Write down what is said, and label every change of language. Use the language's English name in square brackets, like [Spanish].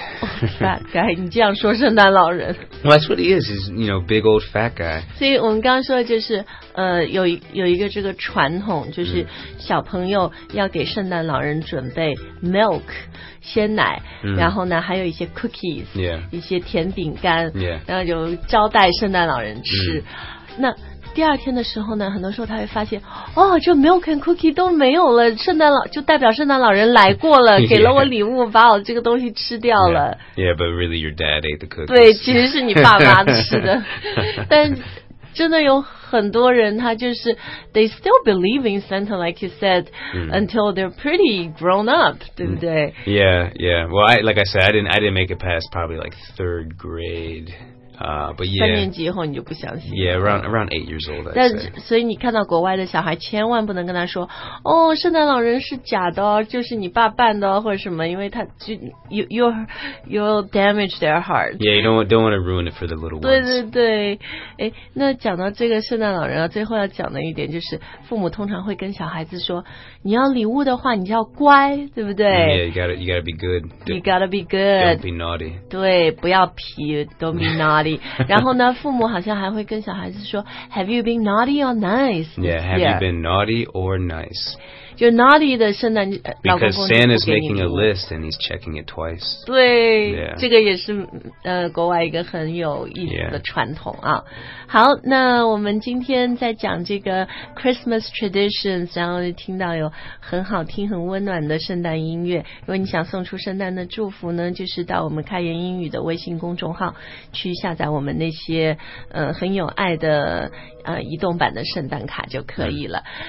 [English] Oh, fat guy, [Chinese] 你这样说圣诞老人。 [English] Well, that's what he is, he's, you know, big old fat guy. [Chinese] 所以我们刚刚说的就是有一个这个传统就是小朋友要给圣诞老人准备 milk, 鲜奶、然后呢还有一些 cookies,、一些甜饼干、然后就招待圣诞老人吃。那第二天的时候呢很多时候他会发现哦这 [English] milk and cookie [Chinese] 都没有了圣诞老就代表圣诞老人来过了给了我礼物把我这个东西吃掉了。 [English] Yeah, but really your dad ate the cookies. [Chinese] 对其实是你爸妈吃的。但真的有很多人他就是 [English] they still believe in Santa like you said、until they're pretty grown up [Chinese] 对不对、 [English] Yeah, yeah. Well, I didn't make it past probably like third grade. But yeah, [Chinese] 三年级以后你就不相信了 [English] Yeah, around 8 years old, I'd [Chinese] 但 [English] say. [Chinese] 所以你看到国外的小孩千万不能跟他说哦圣诞老人是假的就是你爸扮的或者什么因为他就 [English] you'll damage their heart. Yeah, you don't want to ruin it for the little ones. [Chinese] 对对对那讲到这个圣诞老人、最后要讲的一点就是父母通常会跟小孩子说你要礼物的话你就要乖对不对、 [English] Yeah, you gotta be good. You gotta be good. Don't be naughty. [Chinese] 对不要皮 [English] don't be naughty. [Chinese] 然后呢父母好像还会跟小孩子说 [English] Have you been naughty or nice? Yeah, have you been naughty or nice? [Chinese] 就 naughty 的圣诞老公公 [English] Because Santa's making a list and he's checking it twice. [Chinese] 对、 [English] yeah. [Chinese] 这个也是、国外一个很有意思的传统啊。好那我们今天在讲这个 Christmas traditions 然后听到有很好听很温暖的圣诞音乐如果你想送出圣诞的祝福呢就是到我们开言英语的微信公众号去下载我们那些很有爱的移动版的圣诞卡就可以了。